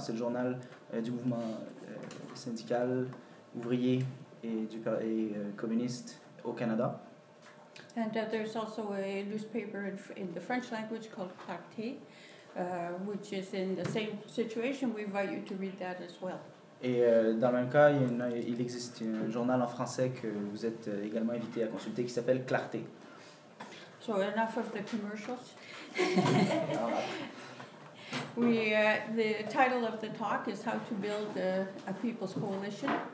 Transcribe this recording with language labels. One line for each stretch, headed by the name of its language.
French: C'est le journal du mouvement syndical, ouvrier et communiste au Canada.
English: And there's also a newspaper in the French language called Clarté, which is in the same situation. We invite you to read that as well.
French: Et dans le même cas, il existe un journal en français que vous êtes également invité à consulter qui s'appelle Clarté.
English: So enough of the commercials. The title of the talk is How to Build a People's Coalition.